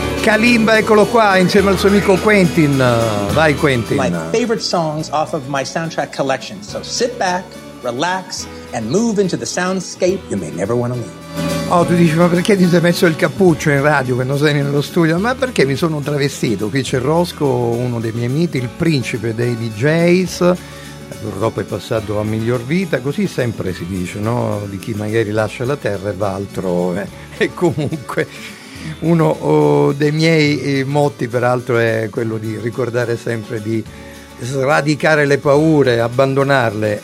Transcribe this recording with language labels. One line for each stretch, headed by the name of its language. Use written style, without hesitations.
Italian: Kalimba, eccolo qua, insieme al suo amico Quentin. Vai, Quentin.
English: My favorite songs off of my soundtrack collection. So sit back, relax, and move into the soundscape you may never want to leave.
Italian: Oh, tu dici, ma perché ti sei messo il cappuccio in radio quando sei nello studio? Ma perché mi sono travestito? Qui c'è Roscoe, uno dei miei miti, il principe dei DJs. Purtroppo è passato a miglior vita, così sempre si dice, no? Di chi magari lascia la terra e va altrove. E comunque uno dei miei motti, peraltro, è quello di ricordare sempre di sradicare le paure, abbandonarle.